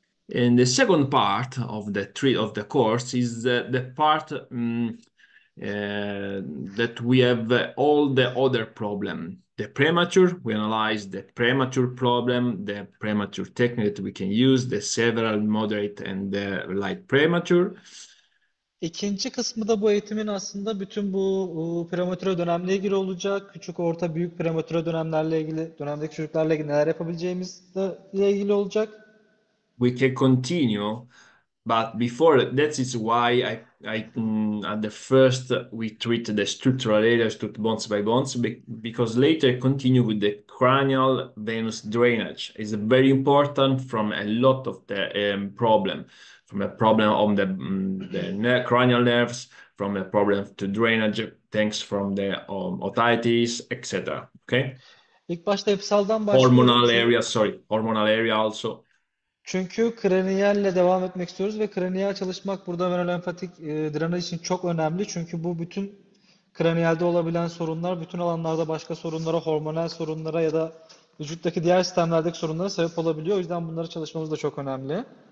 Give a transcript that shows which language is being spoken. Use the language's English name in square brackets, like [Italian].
[English] the second part of the three of the course is the part that we have all the other problem. The premature, we analyze the premature problem, the premature technique that we can use, the several moderate and the light premature. [Turkish] İkinci kısmı da bu eğitimin aslında bütün bu prematüre dönemle ilgili olacak. Küçük, orta, büyük prematüre dönemlerle ilgili, dönemdeki çocuklarla ilgili neler yapabileceğimizle ilgili olacak. [English] We can continue, but before that is why at the first we treat the structural areas to bones by bones because later continue with the cranial venous drainage. It's very important from a lot of the problem, from a problem on the cranial nerves, from a problem to drainage, thanks from the otitis, etc. Okay. [Turkish] İlk başta yapısaldan başlıyorum [English] Hormonal area, sorry, hormonal area also. [Turkish] çünkü kraniyelle devam etmek istiyoruz ve kraniyel çalışmak burada venolenfatik drenaj için çok önemli. Çünkü bu bütün kraniyelde olabilen sorunlar bütün alanlarda başka sorunlara, hormonal sorunlara ya da vücuttaki diğer sistemlerdeki sorunlara sebep olabiliyor. O yüzden bunları çalışmamız da çok önemli.